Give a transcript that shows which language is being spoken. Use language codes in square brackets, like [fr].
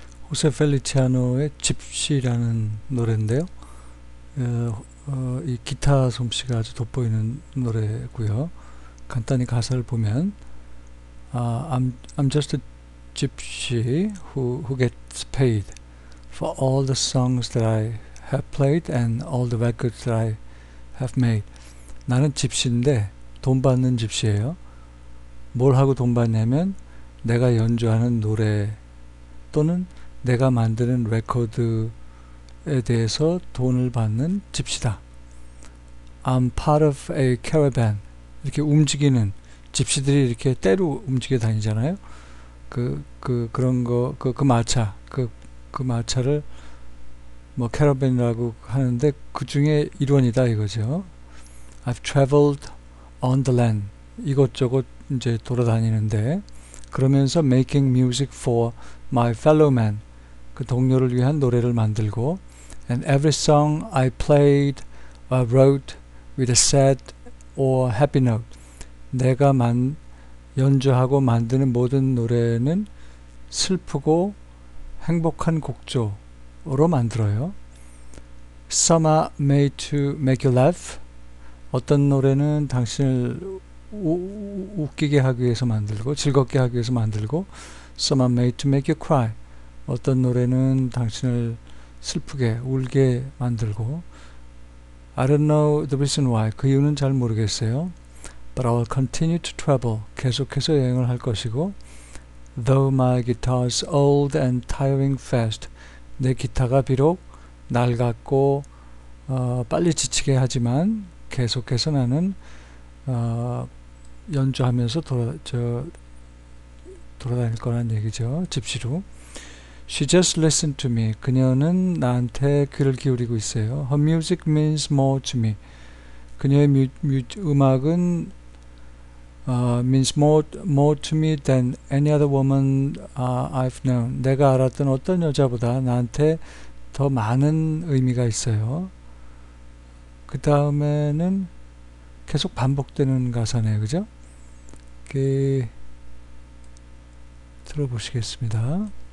[ko] 호세 펠리치아노의 집시라는 노래인데요. 이 기타 솜씨가 아주 돋보이는 노래고요. 간단히 가사를 보면, [en] I'm just a gypsy who gets paid for all the songs that I have played and all the records that I have made. [ko] 나는 집시인데 돈 받는 집시예요. 뭘 하고 돈 받냐면 내가 연주하는 노래 또는 내가 만드는 레코드에 대해서 돈을 받는 집시다. [en] I'm part of a caravan. [ko] 이렇게 움직이는 집시들이 이렇게 떼로 움직여 다니잖아요. 그런 거그그 마차 그그 마차를 뭐 캐러밴이라고 하는데 그 중에 일원이다 이거죠. [en] I've traveled on the land. [ko] 이것저것 이제 돌아다니는데 그러면서 [en] making music for my fellow man. [ko] 그 동료를 위한 노래를 만들고, [en] and every song I played or wrote with a sad or happy note. [ko] 내가 연주하고 만드는 모든 노래는 슬프고 행복한 곡조로 만들어요. [en] Some are made to make you laugh. [ko] 어떤 노래는 당신을 웃기게 하기 위해서 만들고, 즐겁게 하기 위해서 만들고, [en] Some are made to make you cry. [ko] 어떤 노래는 당신을 슬프게, 울게 만들고, [en] I don't know the reason why. [ko] 그 이유는 잘 모르겠어요. [en] But I'll continue to travel. [ko] 계속해서 여행을 할 것이고, [en] Though my guitar's old and tiring fast. [ko] 내 기타가 비록 낡았고, 빨리 지치게 하지만, 계속해서 나는, 연주하면서 돌아다닐 거란 얘기죠. 집시로. [en] She just listened to me. [ko] 그녀는 나한테 귀를 기울이고 있어요. [en] Her music means more to me. [ko] 그녀의 음악은 [en] means more to me than any other woman I've known. [ko] 내가 알았던 어떤 여자보다 나한테 더 많은 의미가 있어요. 그 다음에는 계속 반복되는 가사네요. 그죠? 이렇게 들어보시겠습니다.